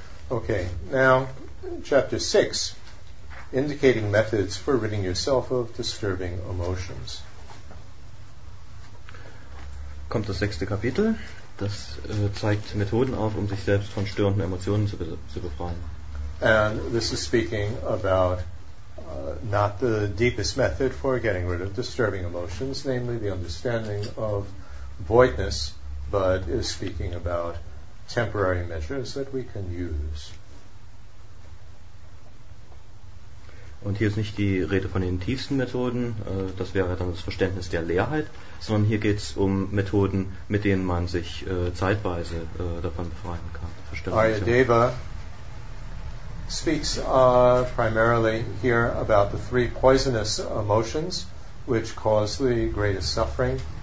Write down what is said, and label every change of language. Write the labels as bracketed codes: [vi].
[en] Okay, now, chapter 6, indicating methods for ridding yourself of disturbing emotions. [de] Kommt das sechste Kapitel. Das zeigt Methoden auf, um sich selbst von störenden Emotionen zu befreien. [en] And this is speaking about not the deepest method for getting rid of disturbing emotions, namely the understanding of voidness, but is speaking about temporary measures that we can use. [de] Und hier ist nicht die Rede von den tiefsten Methoden, das wäre dann das Verständnis der Leerheit, sondern hier geht es um Methoden, mit denen man sich zeitweise davon befreien kann. [en] Aryadeva speaks primarily here about the three poisonous emotions which cause the greatest suffering.